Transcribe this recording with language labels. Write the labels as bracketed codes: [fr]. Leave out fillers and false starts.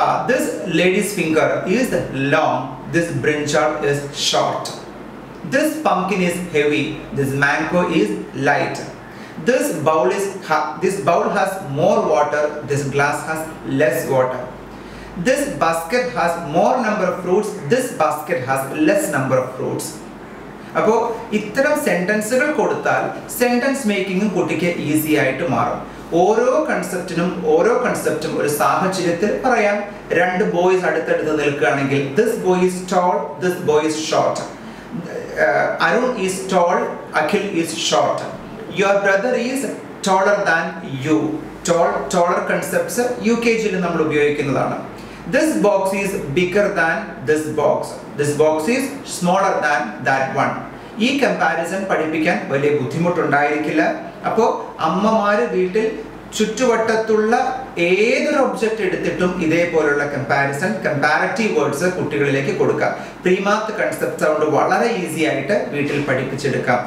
[en] This lady's finger is long, this brinjal is short, this pumpkin is heavy, this mango is light, this bowl has more water, this glass has less water, this basket has more number of fruits, this basket has less number of fruits. [ml] അപ്പോൾ ഇത്തരം സെന്റൻസുകൾ കൊടുത്താൽ sentence മേക്കിംഗും കുട്ടിക്ക് easy ആയിട്ട് മാറും. ഓരോ കൺസെപ്റ്റും ഒരു സാഹചര്യത്തിൽ പറയാം. [en] 2 boys [ml] അടുത്തടുത്ത് നിൽക്കുകയാണെങ്കിൽ, [en] This boy is tall, this boy is short, Arun is tall, Akhil is short, Your brother is taller than you. Taller concepts [ml] UKG ഇൽ നമ്മൾ ഉപയോഗിക്കുന്നതാണ്. [en] This box is bigger than this box. This box is smaller than that one. [ml] ഈ comparison പഠിപ്പിക്കാൻ വലിയ ബുദ്ധിമുട്ടുണ്ടായിരിക്കില്ല. അപ്പോൾ അമ്മമാർ വീട്ടിൽ ചുറ്റുവട്ടത്തുള്ള ഏതൊരു ഒബ്ജക്റ്റ് എടുത്തിട്ടും ഇതേപോലുള്ള കമ്പാരിസൺ കമ്പാരറ്റീവ് വേർഡ്സ് കുട്ടികളിലേക്ക് കൊടുക്കാം. പ്രീമാത്ത് കൺസെപ്റ്റ്സ് അതുകൊണ്ട് വളരെ ഈസി ആയിട്ട് വീട്ടിൽ പഠിപ്പിച്ചെടുക്കാം.